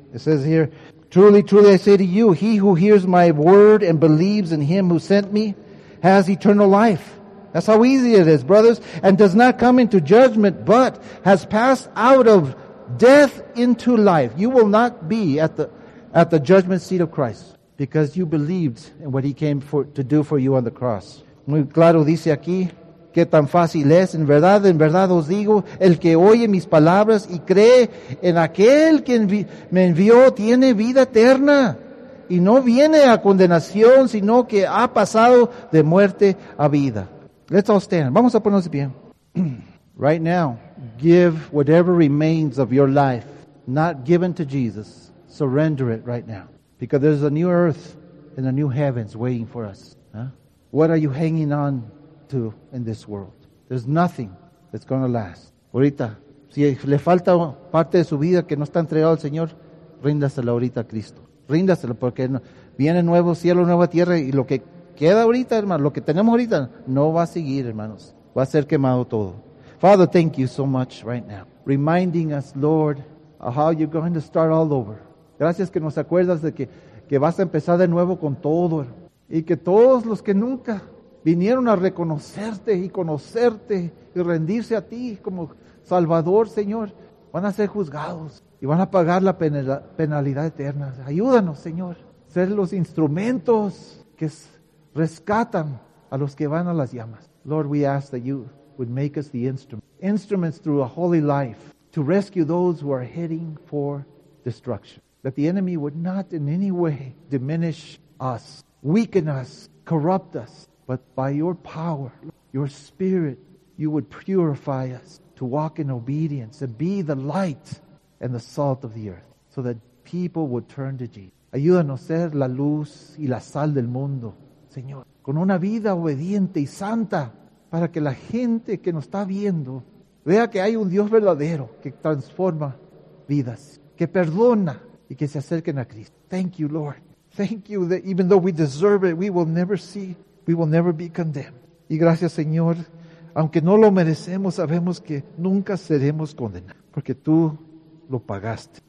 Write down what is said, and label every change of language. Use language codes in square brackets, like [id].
[en] It says here, truly, truly, I say to you, he who hears my word and believes in him who sent me has eternal life. That's how easy it is, brothers. And does not come into judgment, but has passed out of death into life. You will not be at the judgment seat of Christ because you believed in what he came to do for you on the cross. [es] Muy claro dice aquí que tan fácil es. En verdad os digo, el que oye mis palabras y cree en aquel que me envió tiene vida eterna. Y no viene a condenación, sino que ha pasado de muerte a vida. [en] Let's all stand. [es] Vamos a ponernos de pie. [en] Right now, give whatever remains of your life, not given to Jesus, surrender it right now. Because there's a new earth and a new heavens waiting for us. Huh? What are you hanging on to in this world? There's nothing that's going to last. [es] Ahorita, si le falta parte de su vida que no está entregado al Señor, ríndaselo ahorita a Cristo. Ríndaselo porque viene nuevo cielo, nueva tierra y lo que queda ahorita, hermano. Lo que tenemos ahorita no va a seguir, hermanos. Va a ser quemado todo. [en] Father, thank you so much right now. Reminding us, Lord, how you're going to start all over. [es] Gracias que nos acuerdas de que vas a empezar de nuevo con todo. Y que todos los que nunca vinieron a reconocerte y conocerte y rendirse a ti como Salvador, Señor, van a ser juzgados y van a pagar la penalidad eterna. Ayúdanos, Señor, ser los instrumentos que rescatan a los que van a las llamas. [en] Lord, we ask that you would make us the instruments through a holy life to rescue those who are heading for destruction. That the enemy would not in any way diminish us, weaken us, corrupt us, but by your power, your spirit, you would purify us to walk in obedience and be the light and the salt of the earth so that people would turn to Jesus. [es] Ayúdanos a ser la luz y la sal del mundo, Señor, con una vida obediente y santa para que la gente que nos está viendo vea que hay un Dios verdadero que transforma vidas, que perdona y que se acerquen a Cristo. [en] Thank you, Lord. Thank you that even though we deserve it, we will never be condemned. [es] Y gracias, Señor, aunque no lo merecemos, sabemos que nunca seremos condenados porque tú lo pagaste.